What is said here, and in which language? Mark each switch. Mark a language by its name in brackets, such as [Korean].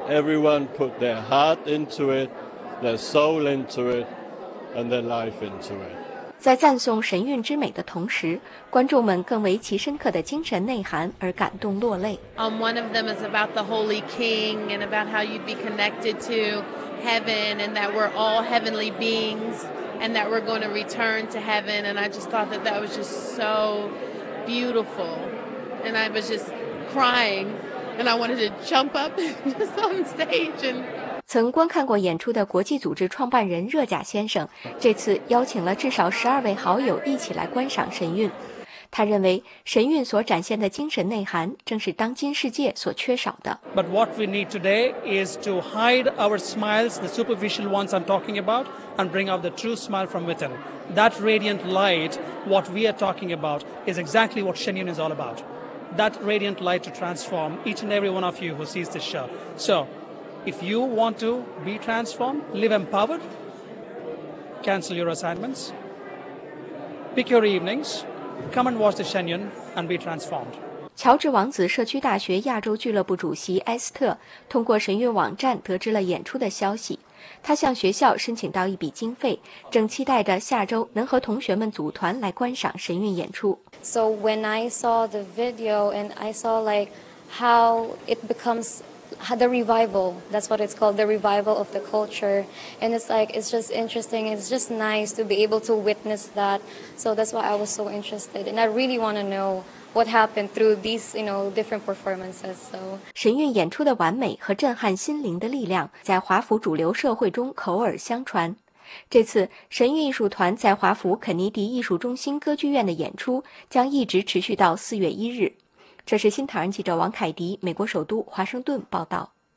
[English] Everyone put their heart into it, their soul into it, and their life into it. [Chinese] 在赞颂神韵之美的同时，观众们更为其深刻的精神内涵而感动落泪。 [English] One of them is about the Holy King and about how you'd be connected to heaven and that we're all heavenly beings and that we're going to return to heaven. And I just thought that that was just so beautiful. And I was just crying and I wanted to jump up just on stage and... [Chinese] 曾观看过演出的国际组织创办人热贾先生这次邀请了至少12位好友一起来观赏神韵。他认为神韵所展现的精神内涵正是当今世界所缺少的。 [English] But what we need today is to hide our smiles, the superficial ones I'm talking about, and bring out the true smile from within. That radiant light, what we are talking about, is exactly what Shen Yun is all about. That radiant light to transform each and every one of you who sees this show. So,If you want to be transformed, live empowered, cancel your assignments, pick your evenings, come and watch the Shen Yun and be transformed. [Chinese] 乔治王子社区大学亚洲俱乐部主席埃斯特通过神韵网站得知了演出的消息，他向学校申请到一笔经费，正期待着下周能和同学们组团来观赏神韵演出。 [English] So when I saw the video and I saw like how it becomes... The revival, that's what it's called, the revival of the culture. And it's like, it's just interesting, it's just nice to be able to witness that. So that's why I was so interested. And I really want to know what happened through these, you know, different performances. So, [Chinese] 神韵演出的完美和震撼心灵的力量在华府主流社会中口耳相传。这次神韵艺术团在华府肯尼迪艺术中心歌剧院的演出将一直持续到4月1日。这是新唐人记者王凯迪，美国首都华盛顿报道。